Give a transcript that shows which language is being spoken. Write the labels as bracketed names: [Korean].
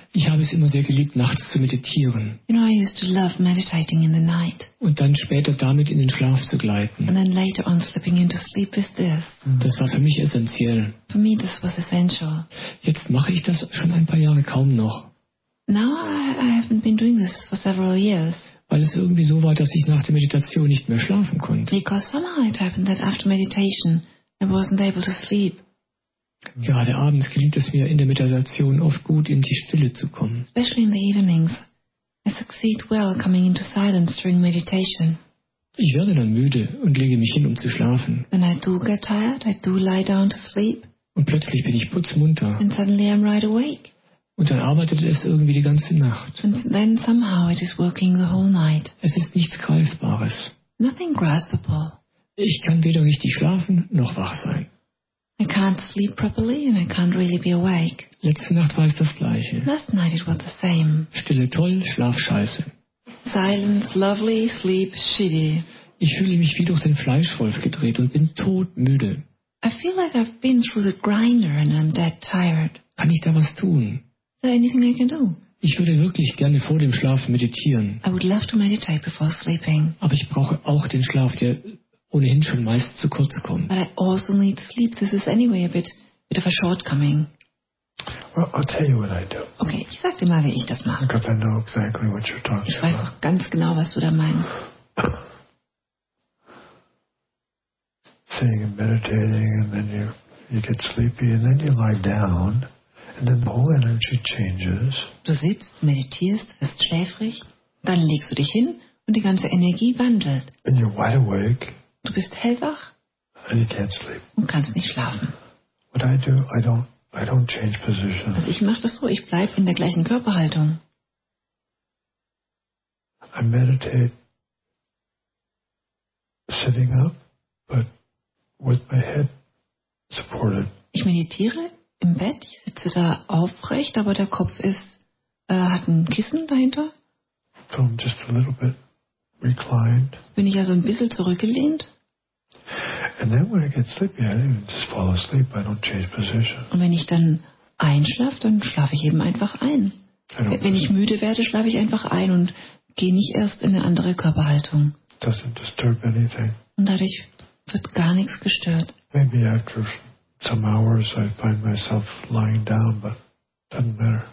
[German] Ich habe es immer sehr geliebt, nachts zu meditieren. [English] You know, I used to love meditating in the night. [German] Und dann später damit in den Schlaf zu gleiten. [English] And then later on slipping into sleep with this. [German] Das war für mich essentiell. [English] For me, this was essential. [German] Jetzt mache ich das schon ein paar Jahre kaum noch. [English] Now I haven't been doing this for several years. [German] Weil es irgendwie so war, dass ich nach der Meditation nicht mehr schlafen konnte. [English] Because somehow it happened that after meditation I wasn't able to sleep. [German] Gerade abends gelingt es mir, in der Meditation oft gut in die Stille zu kommen. [English] Especially in the evenings, I succeed well coming into silence during meditation. [German] Ich werde dann müde und lege mich hin, um zu schlafen. [English] When I do get tired, I do lie down to sleep. [German] Und plötzlich bin ich putzmunter. [English] And suddenly I'm right awake. [German] Und dann arbeitet es irgendwie die ganze Nacht. [English] And then somehow it is working the whole night. [German] Es ist nichts Greifbares. [English] Nothing graspable. [German] Ich kann weder richtig schlafen noch wach sein. [English] I can't sleep properly and I can't really be awake. [German] Letzte Nacht war es das Gleiche. [English] Last night it was the same. [German] Stille toll, Schlaf scheiße. [English] Silence lovely, sleep shitty. [German] Ich fühle mich wie durch den Fleischwolf gedreht und bin todmüde. [English] I feel like I've been through the grinder and I'm dead tired. [German] Kann ich da was tun? [English] Is there anything I can do? [German] Ich würde wirklich gerne vor dem Schlaf meditieren. [English] I would love to meditate before sleeping. [German] Aber ich brauche auch den Schlaf, der ohnehin schon meist zu kurz kommen. [English] But I also need sleep. This is anyway a bit of a shortcoming. Well, I'll tell you what I do. [German] Okay, ich sag dir mal, wie ich das mache. [English] Because I know exactly what you're talking about. [German] Ich weiß auch ganz genau, was du da meinst. [English] Sitting and meditating and then you get sleepy and then you lie down and then the whole energy changes. [German] Du sitzt, meditierst, wirst schläfrig, dann legst du dich hin und die ganze Energie wandelt. [English] And you're wide awake. [German] Du bist hellwach [English] and you can't sleep. [German] Und kannst nicht schlafen. [English] What I do, I don't change position. [German] Also ich mache das so, ich bleibe in der gleichen Körperhaltung. [English] I meditate sitting up, but with my head supported. [German] Ich meditiere im Bett, ich sitze da aufrecht, aber der Kopf ist hat ein Kissen dahinter. [English] So I'm just a little bit reclined. [German] Bin ich also ein bisschen zurückgelehnt. [English] And then when I get sleepy, I even just fall asleep. I don't change position. [German] Und wenn ich dann einschlafe, dann schlafe ich eben einfach ein. Wenn ich müde werde, schlafe ich einfach ein und gehe nicht erst in eine andere Körperhaltung. [English] Doesn't disturb anything. [German] Und dadurch wird gar nichts gestört. [English] Maybe after some hours I find myself lying down, but doesn't matter.